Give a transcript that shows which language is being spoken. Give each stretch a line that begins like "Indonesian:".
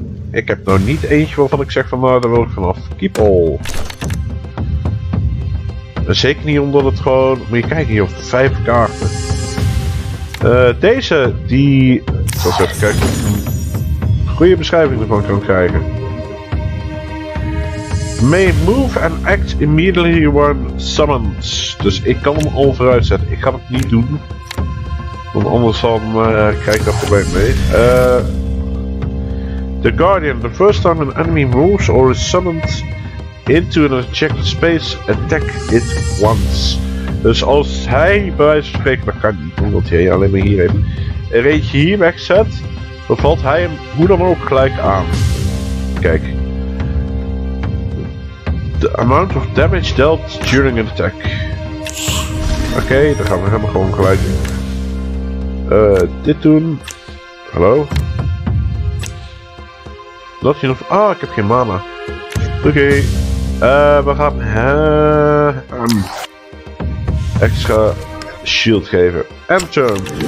Dutch: Ik heb nou niet eentje waarvan ik zeg van nou, daar wil ik vanaf.
English: Keep all.
Dutch: En zeker niet omdat het gewoon... Moet je kijken hier, 5 kaarten. Deze, die... Ik zal even kijken of ik een goede beschrijving ervan kan krijgen.
English: May move and act immediately when summoned.
Dutch: Dus ik kan hem al vooruit zetten. Ik ga het niet doen. Want anders dan krijg ik dat probleem mee.
English: The Guardian. The first time an enemy moves or is summoned into an objective space, attack it once.
Dutch: Dus als hij bij wijze van spreken, dat kan niet, omdat hij alleen maar hierheen. Een reetje hier wegzet, dan valt hij hem hoe dan ook gelijk aan. Kijk.
English: The amount of damage dealt during an attack.
Dutch: Oké, dan gaan we hem gewoon gelijk doen. Dit doen. Hallo? Dat je nog. Ah, ik heb geen mana. Oké. We gaan hem extra shield geven.
English: End turn.